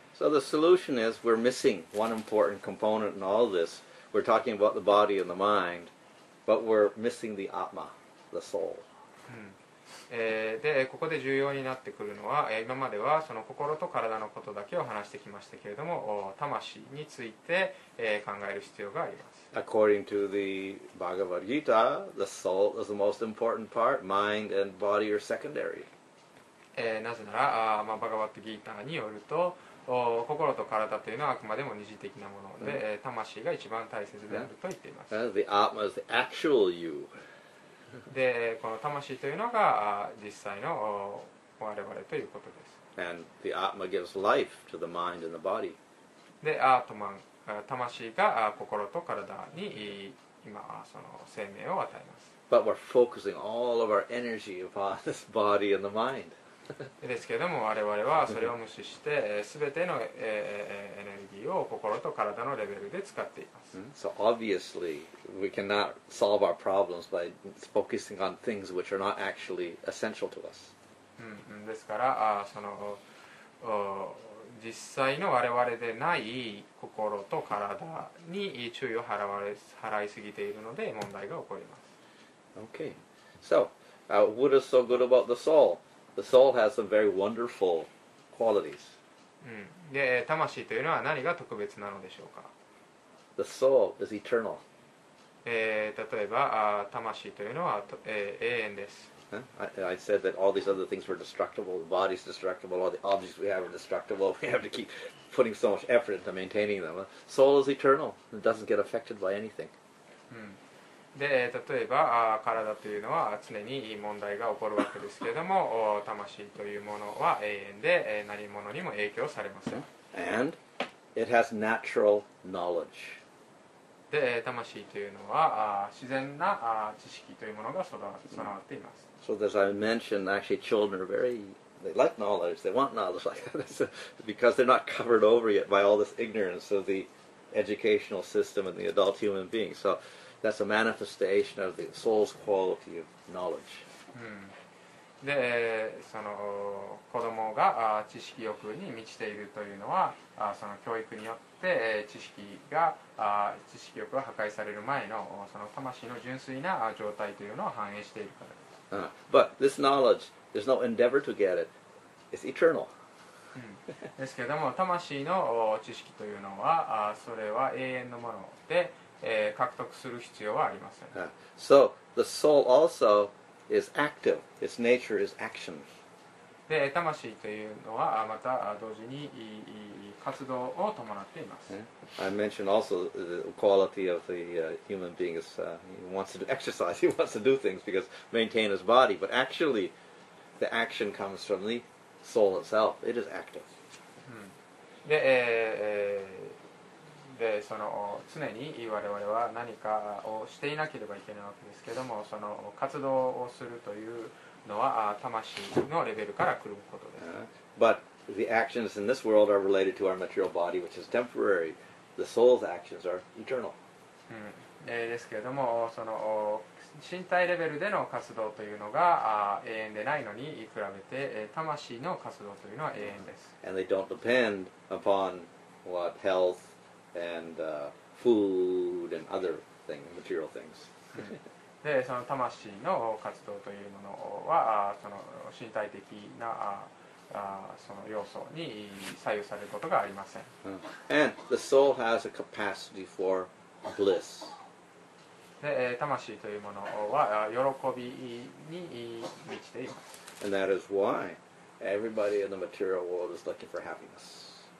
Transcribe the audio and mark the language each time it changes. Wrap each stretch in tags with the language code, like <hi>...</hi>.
<en>So the solution is we're missing one important component in all this. We're talking about the body and the mind, but we're missing the atma, the soul.</en> <ja>でここで重要になってくるのは、今まではその心と体のことだけを話してきましたけれども、魂について考える必要があります。</ja> <en>According to the Bhagavad Gita, the soul is the most important part. Mind and body are secondary.</en> <ja>なぜなら、バガヴァッド・ギーターによると、心と体というのはあくまでも二次的なもので、魂が一番大切であると言っています。</ja> <en>The Atma is the actual you</en> <ja>で、この魂というのが実際の我々ということです。</ja> <en>And the Atma gives life to the mind and the body.</en> <ja>で、アートマン、魂が心と体に今その生命を与えます。</ja> <en>But we're focusing all of our energy upon this body and the mind.</en> <ja>ですけれども我々はそれを無視して全てのエネルギーを心と体のレベルで使っています。</ja> <en>So obviously we cannot solve our problems by focusing on things which are not actually essential to us.</en> <ja>ですからその実際の我々でない心と体に注意を払いすぎているので問題が起こります。</ja> <en>OK SoWhat is so good about the soul? The soul has some very wonderful qualities.</en> <ja>で、魂というのは何が特別なのでしょうか?</ja> <en>The soul is eternal.</en> <ja>例えば、魂というのは、永遠です。</ja> <en>I said that all these other things were destructible. The body is destructible. All the objects we have are destructible. We have to keep putting so much effort into maintaining them. Soul is eternal. It doesn't get affected by anything.</en> <ja>で例えば体というのは常に問題が起こるわけですけれども魂というものは永遠で何者にも影響されません。</ja> <en>And it has natural knowledge.</en> <ja>で魂というのは自然な知識というものが備わっています。</ja> <en>So as I mentioned, actually children are very they like knowledge, they want knowledge like that because they're not covered over yet by all this ignorance of the educational system and the adult human being. SoThat's a manifestation of the soul's quality of knowledge.</en> <ja>で、その子供が知識欲に満ちているというのは、その教育によって知識が知識欲が破壊される前のその魂の純粋な状態というのを反映しているからです。</ja> <en>But this knowledge, there's no endeavor to get it. It's eternal.</en> <ja>ですけれども、魂の知識というのは、それは永遠のもので。獲得する必要はありません。</ja> <en>So the soul also is active. Its nature is action.</en> <ja>で、魂というのはまた同時に活動を伴っています。</ja> <en>Yeah. I mentioned also the quality of the human being is he wants to exercise. He wants to do things because maintain his body. But actually, the action comes from the soul itself. It is active.</en> <ja>で、でその常に我々は何かをしていなければいけないわけですけれどもその活動をするというのは魂のレベルから来ることです。</ja> <en>But the actions in this world are related to our material body, which is temporary. The soul's actions are eternal.</en> <ja>ですけれどもその身体レベルでの活動というのが永遠でないのに比べて魂の活動というのは永遠です。</ja> <en>And they don't depend upon what healthand food and other things, material things.</en> <ja>で、その魂の活動というものは、その身体的なその要素に左右されることがありません。</ja> <en>And the soul has a capacity for bliss.</en> <ja>で、魂というものは喜びに満ちています。</ja> <en>And that is why everybody in the material world is looking for happiness.</en>